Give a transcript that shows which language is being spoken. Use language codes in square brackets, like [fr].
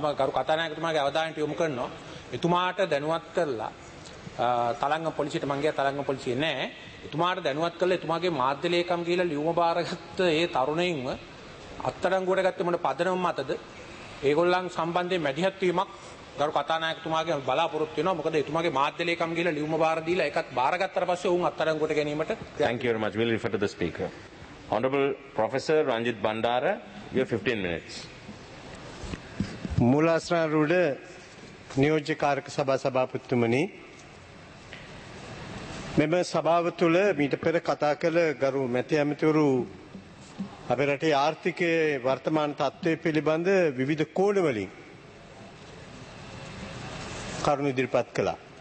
[si] මම කරු කතානායකතුමාගේ අවධානයට යොමු කරනවා. එතුමාට දැනුවත් කරලා තලංගම් පොලිසියට මං ගියා. තලංගම් පොලිසිය නෑ. එතුමාට දැනුවත් කළා. එතුමාගේ මාධ්‍ය ලේකම් ගිහිල්ලා ලියුම බාරගත්ත ඒ තරුණයින්ව අත්අඩංගුවට ගත්ත මොන පදනම මතද ඒගොල්ලන් සම්බන්ධයෙන් මැදිහත් වීමක් ගරු කතානායකතුමාගේ බලාපොරොත්තු වෙනවා. මොකද එතුමාගේ මාධ්‍ය ලේකම් ගිහිල්ලා ලියුම බාර දීලා ඒකත් බාරගත්තට පස්සේ උන් අත්අඩංගුවට ගැනීමට. [en] Thank you very much. We'll refer to the speaker. Honorable Professor Ranjit Bandara, you have 15 minutes. [si] මුලාස්රා රුඩ නියෝජ්‍ය කාර්ක සභා සභාපතිතුමනි, මෙම සභාව තුළ මීට පෙර කතා කළ ගරු මැති ඇමතිවරු අපේ රටේ ආර්ථිකයේ වර්තමාන තත්ත්වය පිළිබඳ විවිධ කෝණවලින් කරුණු ඉදිරිපත් කළා.